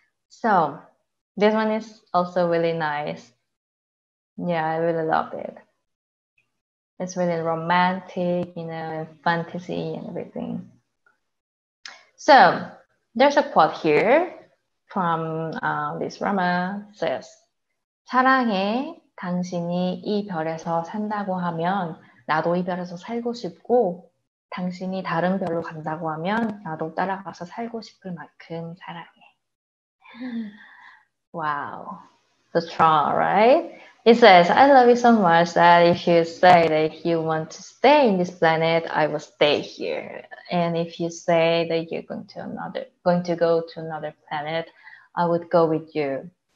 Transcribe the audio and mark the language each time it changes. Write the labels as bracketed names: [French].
[English] So this one is also really nice. Yeah, I really love it. It's really romantic, you know, and fantasy and everything. So there's a quote here from this drama. It says, [Korean] 사랑해, 당신이 이 별에서 산다고 하면 나도 이 별에서 살고 싶고 당신이 다른 별로 간다고 하면 나도 따라가서 살고 싶을 만큼 사랑해. [English] Wow, so strong, right? It says, I love you so much that if you say that you want to stay in this planet, I will stay here. And if you say that you're going to go to another planet, I would go with you.